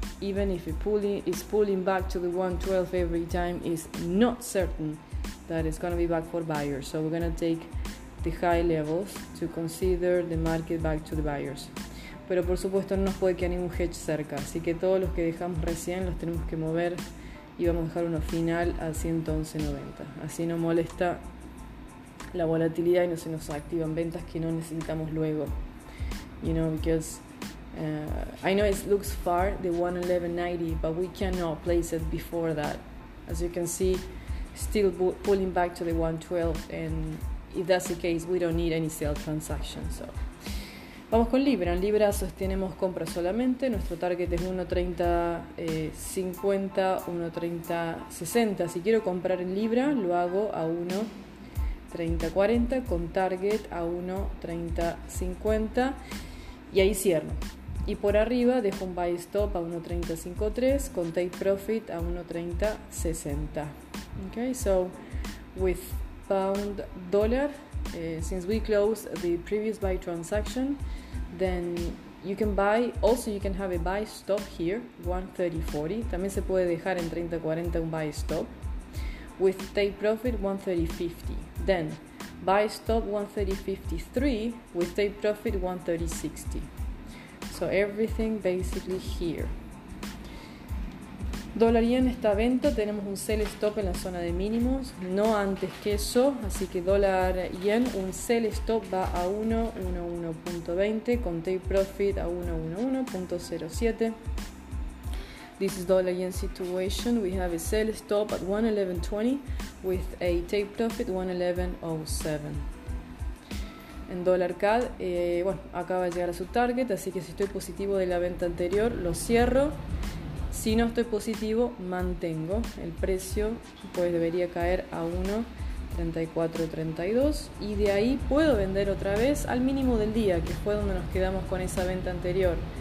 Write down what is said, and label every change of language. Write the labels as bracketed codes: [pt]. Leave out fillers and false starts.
[en] Even if it's pulling back to the 1.12 every time, it's not certain that it's going to be back for buyers. So we're going to take the high levels to consider the market back to the buyers. [es] Pero por supuesto no nos puede quedar ningún hedge cerca. Así que todos los que dejamos recién los tenemos que mover y vamos a dejar uno final a 111.90. Así no molesta la volatilidad y no se nos activan ventas que no necesitamos luego. [en] You know, because I know it looks far, the 111.90, but we cannot place it before that. As you can see, still pulling back to the 112, and if that's the case, we don't need any sale transaction. [es] So, vamos con Libra. En Libra sostenemos compras solamente. Nuestro target es 1.3050, 1.3060. Si quiero comprar en Libra, lo hago a 1.3040 con target a 1.3050 y ahí cierro. Y por arriba dejo un buy stop a 1.3053 con take profit a 1.3060. [en] Okay, so with pound dollar, since we closed the previous buy transaction, then you can buy, also you can have a buy stop here, 1.3040. [es] También se puede dejar en 30.40 un buy stop. [en] With take profit, 1.3050. Then buy stop, 1.3053. With take profit, 1.3060. So everything basically here. [es] Dólar yen está a venta, tenemos un sell stop en la zona de mínimos, no antes que eso, así que dólar yen, un sell stop va a 1.11.20 con take profit a 1.11.07. [en] This is dollar yen situation. We have a sell stop at 1.1120 with a take profit 1.1107. [es] En dólar CAD, bueno, acaba de llegar a su target, así que si estoy positivo de la venta anterior, lo cierro. Si no estoy positivo, mantengo. El precio pues debería caer a 1.3432 y de ahí puedo vender otra vez al mínimo del día, que fue donde nos quedamos con esa venta anterior.